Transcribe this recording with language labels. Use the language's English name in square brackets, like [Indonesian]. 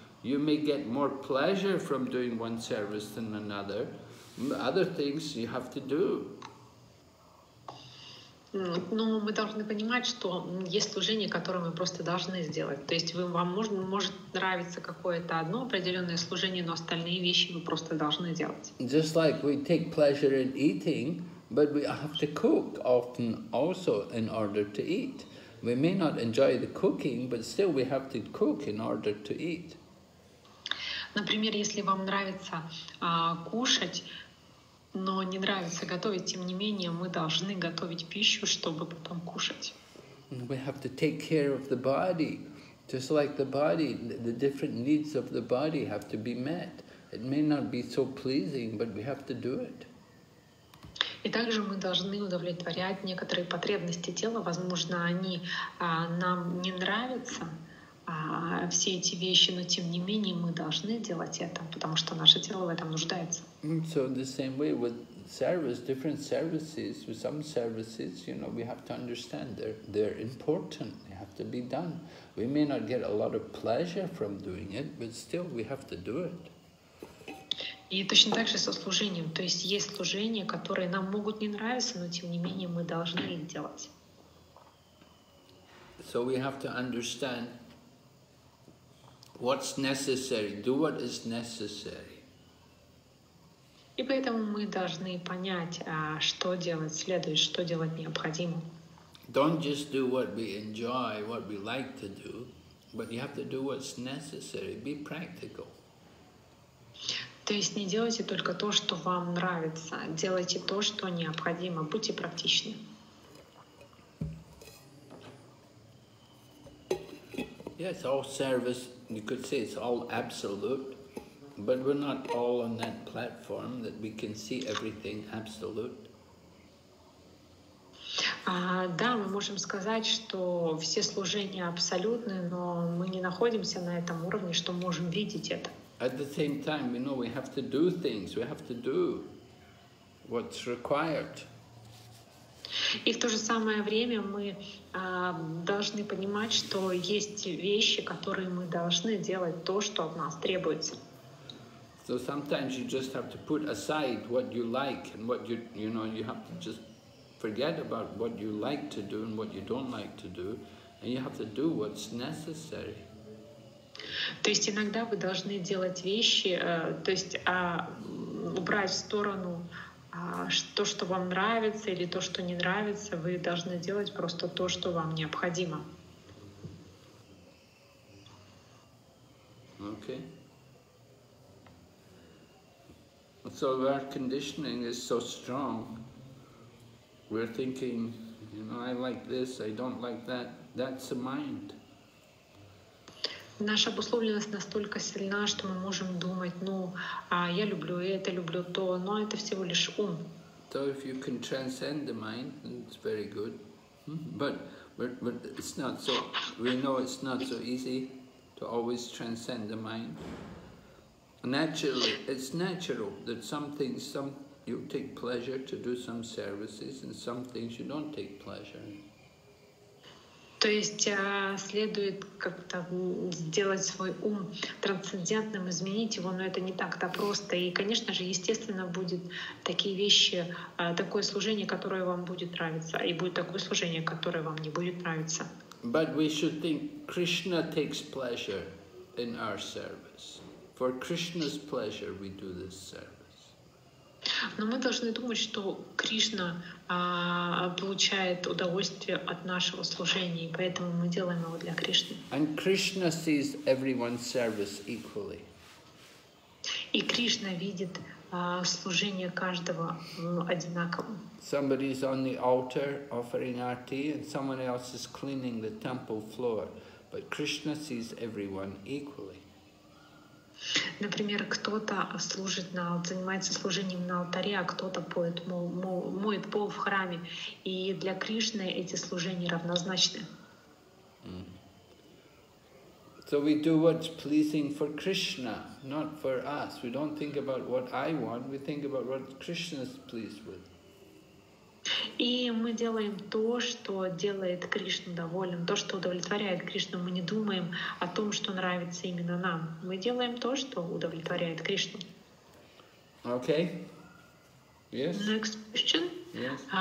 [English] You may get more pleasure from doing one service than another. Other things you have to do. [Russian] Но мы должны понимать, что есть служение, которое мы просто должны сделать. То есть вам может нравиться какое-то одно определенное служение, но остальные вещи вы просто должны делать. [English] Just like we take pleasure in eating, but we have to cook often also in order to eat. We may not enjoy the cooking, but still we have to cook in order to eat. [Russian] Например, если вам нравится кушать, но не нравится готовить, тем не менее, мы должны готовить пищу, чтобы потом кушать. [English] We have to take care of the body. Just like the body, the different needs of the body have to be met. It may not be so pleasing, but we have to do it. [Russian] И также мы должны удовлетворять некоторые потребности тела. Возможно, они нам не нравятся, все эти вещи, но тем не менее мы должны делать это, потому что наше тело в этом нуждается. [English] So the same way with service, different services, with some services, you know, we have to understand they're important, they have to be done. We may not get a lot of pleasure from doing it, but still we have to do it. [Russian] И точно так же со служением, то есть служения, которые нам могут не нравиться, но тем не менее мы должны их делать. [English] So we have to understand what's necessary, do what is necessary. [Russian] И поэтому мы должны понять, что делать следует, что делать необходимо. [English] Don't just do what we enjoy, what we like to do, but you have to do what's necessary, be practical. [Russian] То есть не делайте только то, что вам нравится, делайте то, что необходимо, будьте практичны. [English] Yes, all service, you could say it's all absolute, but we're not all on that platform that we can see everything absolute. [Russian] Да, мы можем сказать, что все служения абсолютны, но мы не находимся на этом уровне, что можем видеть это. [English] At the same time, we know we have to do things, we have to do what's required. [Russian] И в то же самое время мы должны понимать, что есть вещи, которые мы должны делать, то, что от нас требуется. [English] So sometimes you just have to put aside what you like and what you, you know, you have to just forget about what you like to do and what you don't like to do, and you have to do what's necessary. [Russian] То есть иногда вы должны делать вещи, то есть убрать в сторону то, что вам нравится, или то, что не нравится, вы должны делать просто то, что вам необходимо. [English] Okay. So our conditioning is so strong. We're thinking, you know, I like this, I don't like that. That's the mind. [Russian] Наша обусловленность настолько сильна, что мы можем думать, ну, я люблю это, люблю то, но это всего лишь ум. [English] So if you can transcend the mind, it's very good. But it's not so, we know it's not so easy to always transcend the mind. Naturally, it's natural that some things, some you take pleasure to do some services and some things you don't take pleasure in. [Russian] То есть следует как-то сделать свой ум трансцендентным, изменить его, но это не так-то просто. И, конечно же, естественно, будет такие вещи, такое служение, которое вам будет нравиться, и будет такое служение, которое вам не будет нравиться. [English] But we should think Krishna takes pleasure in our service. For Krishna's pleasure we do this service. [Russian] Но мы должны думать, что Кришна получает удовольствие от нашего служения, и поэтому мы делаем его для Кришны. [English] And Krishna sees everyone's service equally. [Russian] И Кришна видит служение каждого одинаково. [English] Somebody is on the altar offering arti, and someone else is cleaning the temple floor, but Krishna sees everyone equally. [Russian] Например, кто-то служит на, занимается служением на алтаре, а кто-то поет, моет пол в храме. И для Кришны эти служения равнозначны. [English] So we do what's pleasing for Krishna, not for us. We don't think about what I want, we think about what Krishna is pleased with. [Russian] И мы делаем то, что делает Кришну доволен, то, что удовлетворяет Кришну. Мы не думаем о том, что нравится именно нам. Мы делаем то, что удовлетворяет Кришну. [English] Okay. Yes. Next question. Yes.